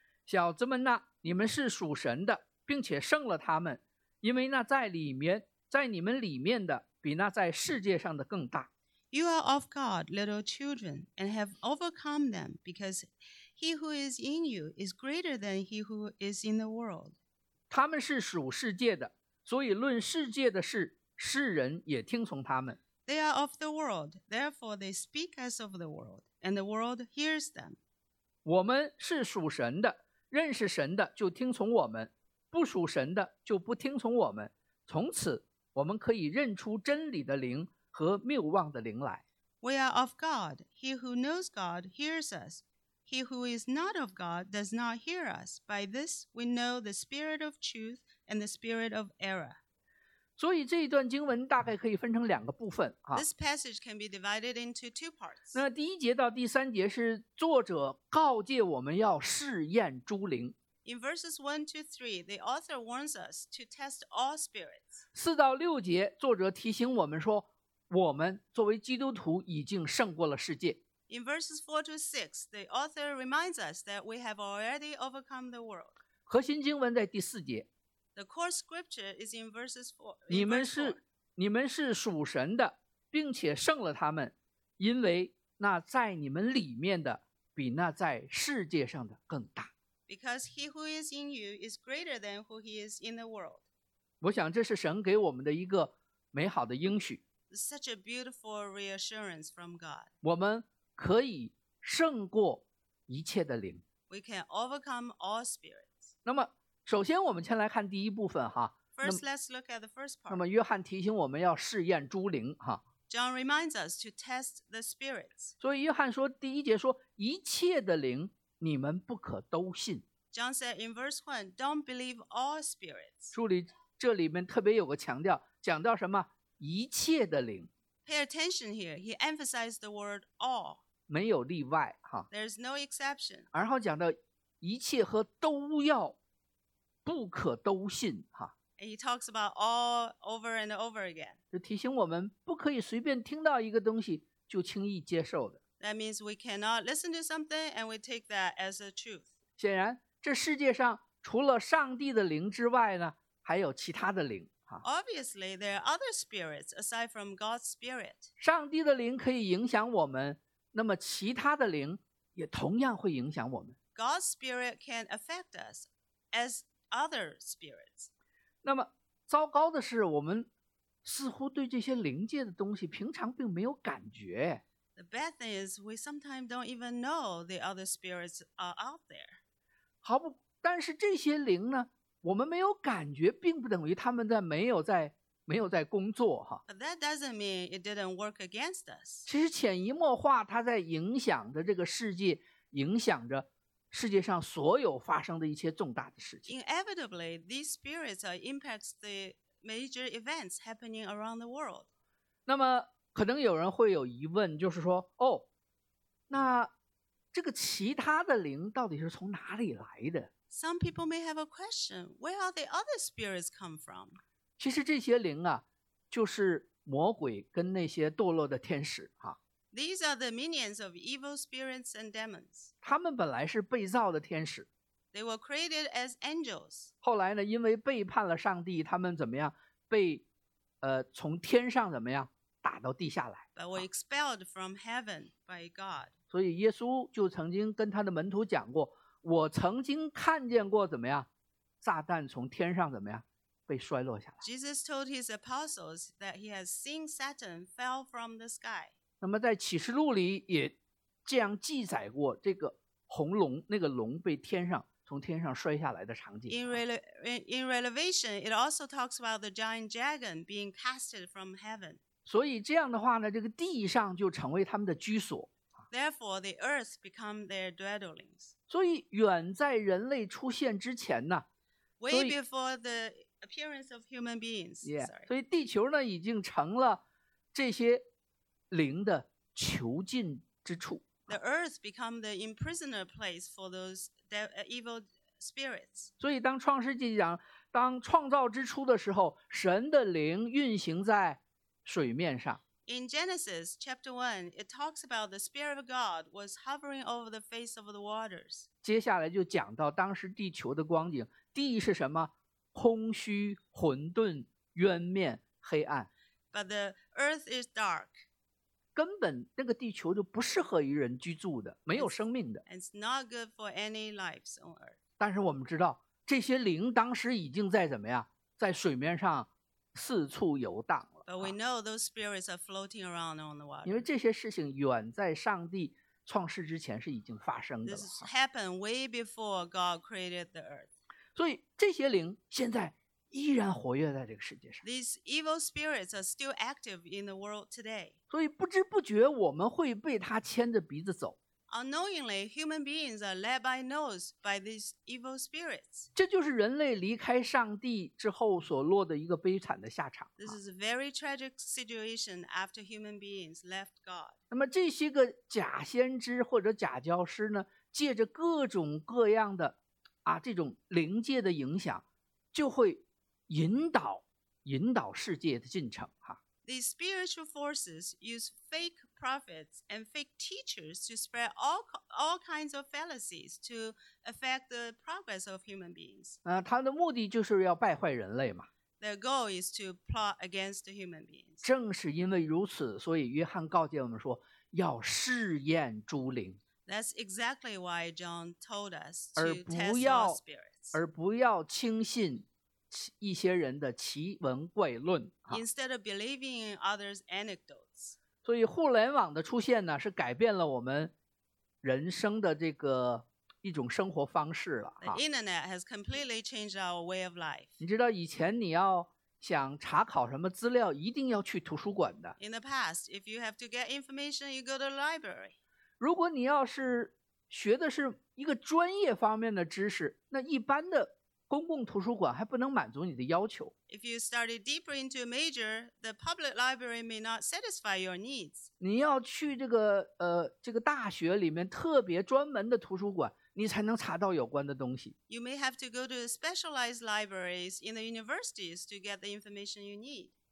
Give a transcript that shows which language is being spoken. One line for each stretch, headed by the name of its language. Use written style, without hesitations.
Chinese: 小子们呐，你们是属神的，并且胜了他们，因为那在你们里面的比那在世界上的更大。
English: You are of God, little children, and have overcome them, because he who is in you is greater than he who is in the world.
Chinese: 他们是属世界的，所以论世界的事世人也听从他们。
English: They are of the world, therefore they speak as of the world, and the world hears them.
Chinese: 我们是属神的，认识神的就听从我们，不属神的就不听从我们，从此我们可以认出真理的灵和谬妄的灵来。
English: We are of God, he who knows God hears us. He who is not of God does not hear us. By this we know the spirit of truth and the spirit of error.
Chinese: 所以这一段经文大概可以分成两个部分、啊、
English: This passage can be divided into two parts.
Chinese: 那第一节到第三节是作者告诫我们要试验诸灵。
English: In verses 1 to 3, the author warns us to test all spirits.
Chinese: 四到六节作者提醒我们说我们作为基督徒已经胜过了世界。
English: In verses 4 to 6, the author reminds us that we have already overcome the world.
Chinese: 核心经文在第四节。
English: The core scripture is in verses 4.
Chinese: 你们是属神的，并且胜了他们，因为那在你们里面的比那在世界上的更大。
English: Because he who is in you is greater than who he is in the world.
Chinese: 我想这是神给我们的一个美好的应许。
English: Such a beautiful reassurance from God.
Chinese: 我们可以胜过一切的灵。
English: We can overcome all spirits.
Chinese: 那么首先我们先来看第一部分哈。
English: First, let's look at the first part.
Chinese: 那么约翰提醒我们要试验诸灵哈。
English: John reminds us to test the spirits.
Chinese: 所以约翰说第一节说一切的灵你们不可都信。
English: John said in verse 1, don't believe all spirits.
Chinese: 注意这里面特别有个强调，讲到什么？一切的灵。
English: Pay attention here, he emphasized the word all.
Chinese: 没有例外哈。
English: There's no exception.
Chinese: 然后讲到一切和都要不可都信哈。
English: He talks about all over and over again.
Chinese: 就提醒我们不可以随便听到一个东西就轻易接受的。
English: That means we cannot listen to something and we take that as a truth.
Chinese: 显然这世界上除了上帝的灵之外呢还有其他的灵哈。
English: Obviously, there are other spirits aside from God's spirit.
Chinese: 上帝的灵可以影响我们，那么其他的灵也同样会影响我们。
English: God's spirit can affect us as other spirits.
Chinese: 那么糟糕的是，我们似乎对这些灵界的东西平常并没有感觉。
English: The bad thing is we sometimes don't even know the other spirits are out there.
Chinese: 毫不，但是这些灵呢，我们没有感觉，并不等于他们在没有在。没有在工作哈。
English: But that doesn't mean it didn't work against us.
Chinese: 其实潜移默化，它在影响着这个世界，影响着世界上所有发生的一些重大的事情。
English: Inevitably, these spirits impact the major events happening around the world.
Chinese: 那么可能有人会有疑问，就是说，哦，那这个其他的灵到底是从哪里来的？
English: Some people may have a question. Where are the other spirits come from?
Chinese: 其实这些灵啊，就是魔鬼跟那些堕落的天使啊。
English: These are the minions of evil spirits and demons.
Chinese: 他们本来是被造的天使。
English: They were created as angels.
Chinese: 后来呢，因为背叛了上帝，他们怎么样？被，从天上怎么样打到地下来
English: ？But were expelled from heaven by God.
Chinese: 所以耶稣就曾经跟他的门徒讲过，我曾经看见过怎么样，撒旦从天上怎么样？被摔落下来。
English: Jesus told his apostles that he has seen Satan fell from the sky.
Chinese: 那么在启示录里也这样记载过这个红龙，那个龙被天上从天上摔下来的场景。
English: In Revelation, it also talks about the giant dragon being casted from heaven.
Chinese: 所以这样的话呢，这个地上就成为他们的居所。
English: Therefore, the earth become their dwellings.
Chinese: 所以远在人类出现之前呢
English: ，way before the appearance of human beings.
Chinese: Yeah, 所以地球呢已经成了这些灵的囚禁之处。
English: The earth become the imprisoner place for those evil spirits.
Chinese: 所以当创世纪讲，当创造之初的时候，神的灵运行在水面上。
English: In Genesis chapter 1, it talks about the spirit of God was hovering over the face of the waters.
Chinese: 接下来就讲到当时地球的光景，地是什么？空虚、混沌、渊面、黑暗。
English: But the earth is dark.
Chinese: 根本那个地球就不适合于人居住的，没有生命的。
English: It's not good for any lives on earth.
Chinese: 但是我们知道，这些灵当时已经在怎么样，在水面上四处游荡了。
English: But we know those spirits are floating around on the water.
Chinese: 因为这些事情远在上帝创世之前是已经发生的了。
English: This happened way before God created the earth.
Chinese: 所以这些灵现在依然活跃在这个世界上。
English: These evil spirits are still active in the world today.
Chinese: 所以不知不觉我们会被他牵着鼻子走。
English: Unknowingly, human beings are led by nose by these evil spirits.
Chinese: 这就是人类离开上帝之后所落的一个悲惨的下场。
English: This is a very tragic situation after human beings left God.
Chinese: 那么这些个假先知或者假教师呢，借着各种各样的啊，这种灵界的影响就会引导世界的进程哈。
English: These spiritual forces use fake prophets and fake teachers to spread all kinds of fallacies to affect the progress of human beings.
Chinese: 他的目的就是要败坏人类嘛。
English: Their goal is to plot against the human beings.
Chinese: 正是因为如此，所以约翰告诫我们说要试验诸灵。
English: That's exactly why John told us to test our spirits.
Chinese: 而不要轻信一些人的奇闻怪论。
English: Instead of believing in others' anecdotes.
Chinese: 所以互联网的出现呢，是改变了我们人生的这个一种生活方式了。
English: The internet has completely changed our way of life.
Chinese: 你知道以前你要想查考什么资料，一定要去图书馆的。
English: In the past, if you have to get information, you go to the library.
Chinese: 如果你要是学的是一个专业方面的知识，那一般的公共图书馆还不能满足你的要求。
English: If you study deeper into a major, the public library may not satisfy your needs.
Chinese: 你要去这个大学里面特别专门的图书馆，你才能查到有关的东西。
English: You may have to go to specialized libraries in the universities to get the information you need.